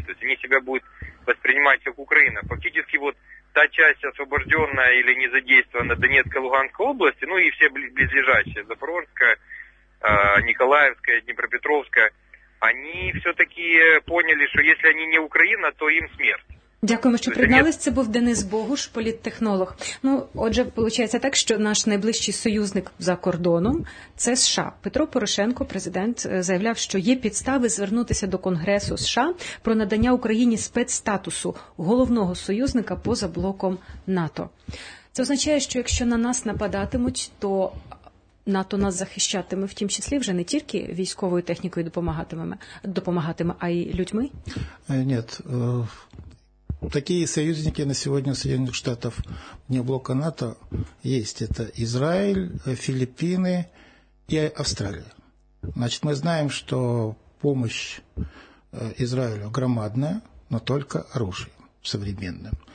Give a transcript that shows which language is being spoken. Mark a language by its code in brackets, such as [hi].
[ru] То есть они себя будут воспринимать как Украина. Фактически вот та часть освобожденная или незадействованная Донецкой и Луганской области, ну и все близлежащие, Запорожская, Николаевская, Днепропетровская, они все-таки поняли, что если они не Украина, то им смерть. [uk] Дякуємо, що приєдналися. Це був Денис Богуш, політтехнолог. Ну, отже, виходить так, що наш найближчий союзник за кордоном – це США. Петро Порошенко, президент, заявляв, що є підстави звернутися до Конгресу США про надання Україні спецстатусу головного союзника поза блоком НАТО. Це означає, що якщо на нас нападатимуть, то НАТО нас захищатиме, в тім числі вже не тільки військовою технікою допомагатиме, а й людьми? [ru] Ні, такие союзники на сегодня у Соединенных Штатов вне блока НАТО есть. Это Израиль, Филиппины и Австралия. Значит, мы знаем, что помощь Израилю громадная, но только оружием современным.